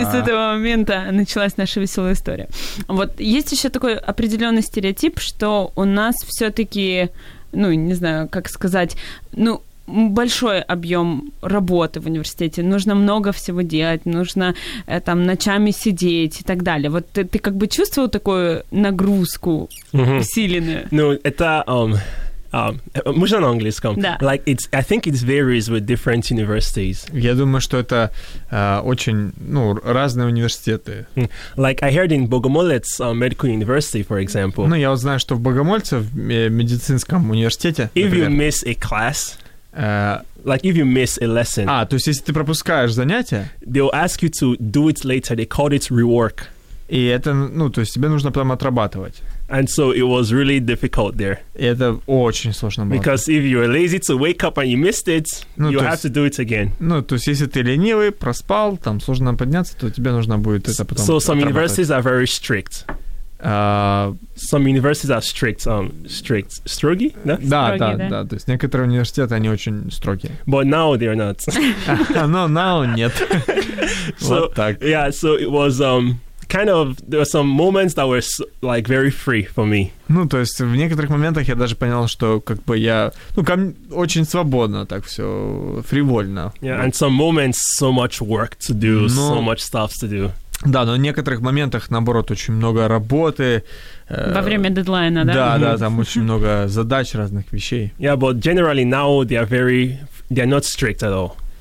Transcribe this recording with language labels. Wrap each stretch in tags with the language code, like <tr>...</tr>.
<ru>И с этого момента началась наша веселая история. Вот есть еще такой определенный стереотип, что у нас все-таки, ну, не знаю, как сказать, ну, большой объем работы в университете, нужно много всего делать, нужно там ночами сидеть и так далее. Вот ты как бы чувствовал такую нагрузку усиленную? Ну, это... можно на английском? Да.</ru> <en>Like it's, I think it varies with different universities.</en> <ru>Я думаю, что это очень, ну, разные университеты.</ru> <en>Like I heard in Bogomolets Medical University, for example.</en> <ru>Ну, я вот знаю, что в Богомольце, в медицинском университете,</ru> <en>if</en> <ru>например,</ru> <en>you miss a class, like if you miss a lesson.</en> <ru>А, то есть если ты пропускаешь занятие,</ru> <en>they'll ask you to do it later. They call it rework.</en> <ru>И это, ну, то есть тебе нужно потом отрабатывать.</ru> <en>And so it was really difficult there.</en> <ru>Это очень сложно было.</ru> <en>Because if you're lazy to wake up and you missed it, ну, you have to do it again.</en> <ru>Ну, то есть если ты ленивый, проспал, там сложно подняться, то тебе нужно будет это потом отрабатывать.</ru> <en>So some universities are very strict. Some universities are strict. Strict. Строги?</en> <ru>Да? Да, строги, да, да, да. То есть некоторые университеты, они очень строгие.</ru> <en>But now they're not. No, now нет. So,</en> <ru>вот так.</ru> <en>Yeah, so it was... kind of there were some moments that were like very free for me.</en> <ru>Ну, то есть в некоторых моментах я даже понял, что как бы я, ну, ко мне очень свободно так все, фривольно.</ru> <en>Yeah, and some moments so much work to do, но... so much stuff to do.</en> <ru>Да, но в некоторых моментах наоборот очень много работы. Во время дедлайна, да? Да, да, там очень много задач разных вещей.</ru> <en>Yeah, but generally now they're not strict at all.</en>